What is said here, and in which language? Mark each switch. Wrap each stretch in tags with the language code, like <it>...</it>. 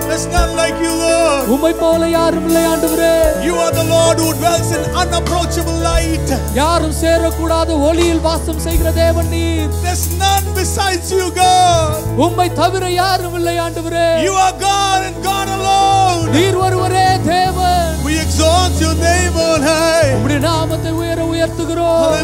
<en>there's none like you lord</en> <ta>உம்மை போல யாரும் இல்லை ஆண்டவரே</ta> <en>you are the lord who dwells in unapproachable light</en> <ta>யாரும் சேரக்கூடாத ஒளியில் வாசம் செய்கிற தேவன் நீர்</ta> <en>there's none besides you god</en> <ta>உம்மை தவிர யாரும் இல்லை ஆண்டவரே</ta> <en>you are god and god alone</en> <ta>நீர் ஒருவரே தேவன்</ta> <en>we exalt your name on high</en> <ta>உம்முடைய நாமத்தை உயர உயர்த்துகிறோம்</ta>